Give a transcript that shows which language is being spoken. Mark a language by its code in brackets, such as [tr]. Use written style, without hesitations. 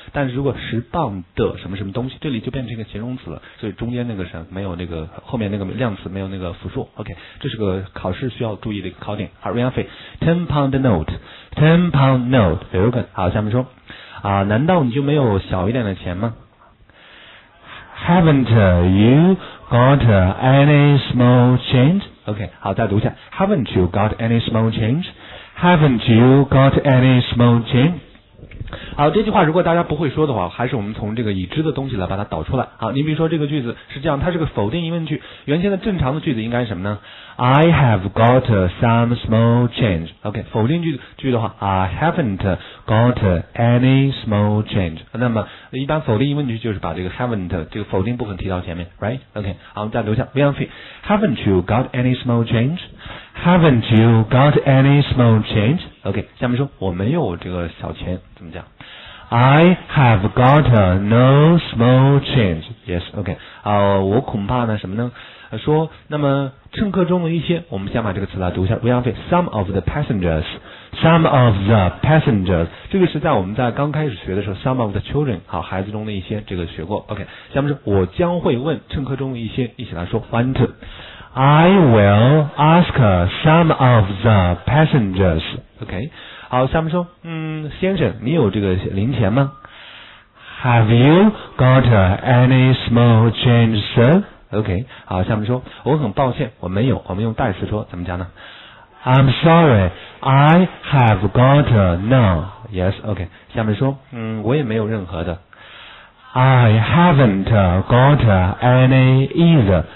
[zh] 但是如果十磅的什么什么东西，这里就变成一个形容词了。所以中间那个什么没有那个后面那个量词没有那个复数。 OK， 这是个考试需要注意的一个考点。 [en] 好 ，Rianfield, £10 note. £10 note. Very good. [zh] 好，下面说。啊，难道你就没有小一点的钱吗 [en] ？Haven't you got any small change? [zh] OK， 好，再读一下。 [en] Haven't you got any small change? Haven't you got any small change? [zh] 好，这句话如果大家不会说的话，还是我们从这个已知的东西来把它导出来。好，你比如说这个句子是这样，它是个否定疑问句。原先的正常的句子应该是什么呢 [en] ？I have got some small change. OK， [zh] 否定句的话 [en] ，I haven't got any small change. [zh] 那么一般否定疑问句就是把这个 haven't 这个否定部分提到前面 ，right？ OK， 好，我们再留下 ，Rianfield， [en] haven't you got any small change？ Haven't you got any small change? [zh] OK， 下面说我没有这个小钱怎么讲 [en] ？I have got no small change. [zh] Yes, OK， 我恐怕呢什么呢？说那么乘客中的一些，我们先把这个词来读一下。 [en] We have some of the passengers. Some of the passengers. [zh] 这个是在我们在刚开始学的时候 ， [en] some of the children， [zh] 好，孩子中的一些，这个学过。 OK， 下面说我将会问乘客中的一些，一起来说 ， [en] want to。 I will ask some of the passengers. [zh] OK， 好，下面说，先生，你有这个零钱吗 [en] ？Have you got any small change, sir? [zh] OK， 好，下面说，我很抱歉，我没有。我们用代词说，怎么讲呢 [en] ？I'm sorry, I have got none. [zh] Yes, OK， 下面说，我也没有任何的。 [en] I haven't got any either.